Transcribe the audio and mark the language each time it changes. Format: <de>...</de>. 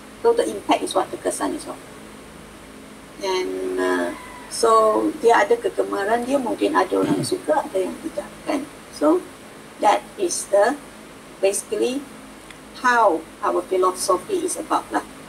<en>So the impact is what, the kesan is what. And so</en> <ms>dia ada kegemaran, dia mungkin ada orang yang suka, ada yang tidak kan.</ms> <en>So that is the basically how our philosophy is about lah.</en>